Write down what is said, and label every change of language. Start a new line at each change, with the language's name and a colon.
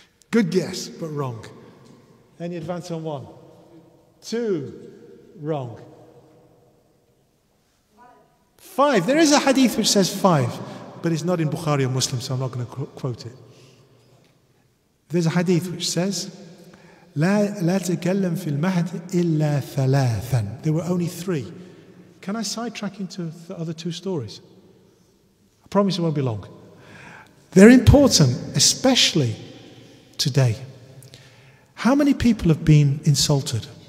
English: Good guess, but wrong. Any advance on one? Two. Wrong. Five. There is a hadith which says five, but it's not in Bukhari or Muslim, so I'm not going to quote it. There's a hadith which says,
Arabic: لا تكلم في المهد إلا ثلاثا.
English: There were only three. Can I sidetrack into the other two stories? I promise it won't be long. They're important, especially today. How many people have been insulted?